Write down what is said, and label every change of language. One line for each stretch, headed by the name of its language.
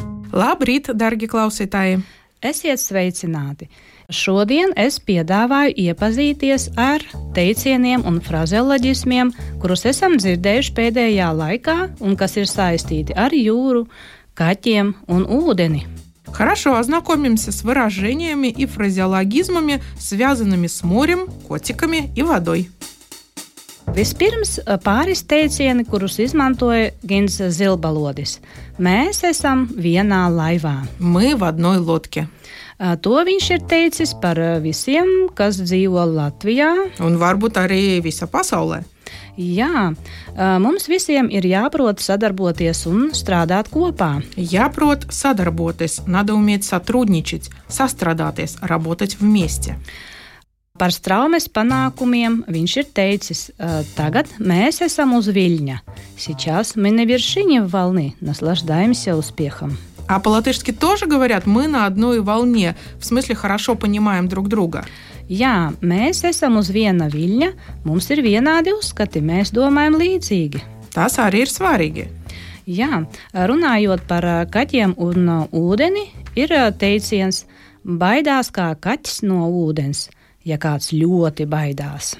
Latvian: Labrīt, dargi klausītāji! Esiet sveicināti! Šodien es piedāvāju iepazīties ar teicieniem un frazeoloģismiem, kurus esam dzirdējuši pēdējā laikā un kas ir saistīti ar jūru, kaķiem un ūdeni.
Russian: Хорошо, ознакомимся с выражениями и фразеологизмами, связанными с морем, котиками и водой.
Latvian: Vispirms pāris teicieni, kurus izmantoja Gins Zilbalodis. Mēs esam vienā laivā.
Russian: Мы в одной лодке.
Latvian: To viņš ir teicis par visiem, kas dzīvo Latvijā. Un varbūt arī visa pasaulē. Jā, mums visiem ir jāprot sadarboties un strādāt kopā. Jāprot sadarboties,
Russian: надо уметь сотрудничать,
Latvian: sastrādāties,
Russian: работать вместе.
Latvian: Par Straumes panākumiem viņš ir teicis, tagad mēs esam uz Viļņa.
Russian: Сейчас мы на вершине волны, наслаждаемся успехом. А по-латышски тоже говорят, мы на одной волне, в смысле хорошо понимаем друг друга.
Latvian: Jā, mēs esam uz viena viļņa, mums ir vienādi uzskati, mēs domājam līdzīgi. Tas arī ir svarīgi. Jā, runājot par kaķiem un ūdeni, ir teiciens, baidās kā kaķis no ūdens, ja kāds ļoti baidās.